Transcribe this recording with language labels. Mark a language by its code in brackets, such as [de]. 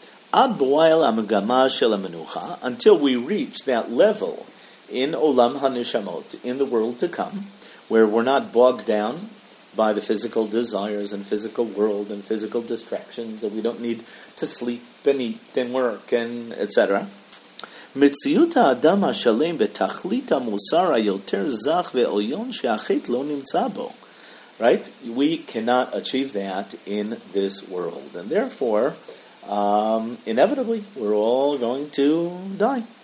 [he] Ad bo'al amgama shel amenucha, [en] until we reach that level in Olam HaNeshamot, in the world to come, where we're not bogged down by the physical desires and physical world and physical distractions, and we don't need to sleep and eat and work and etc. [he] מציאות האדם השלם בתכלית המוסר היותר זך ועויון שהחית לא נמצא בו. [en] Right? We cannot achieve that in this world. And therefore, inevitably, we're all going to die.